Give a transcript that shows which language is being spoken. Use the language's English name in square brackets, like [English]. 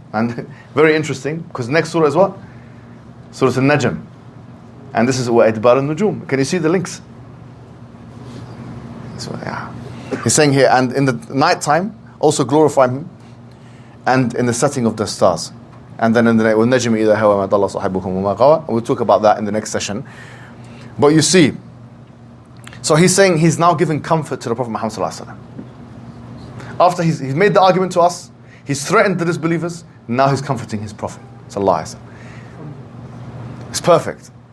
[English] And very interesting, because next surah is what? Surah Al-Najm. And this is [Arabic] وَإِدْبَارِ النُّجُومِ. [English] Can you see the links? So, he's saying here, and in the night time, also glorify him, and in the setting of the stars. And then in the night, [Arabic] وَالنَّجْمِ إِذَا هَوَى مَا ضَلَّ صَاحِبُكُمْ وَمَا غَوَى. [English] And we'll talk about that in the next session. But you see, so he's saying he's now giving comfort to the Prophet Muhammad Sallallahu Alaihi Wasallam. After he's made the argument to us, he's threatened the disbelievers, now he's comforting his Prophet. It's a lie. It's perfect.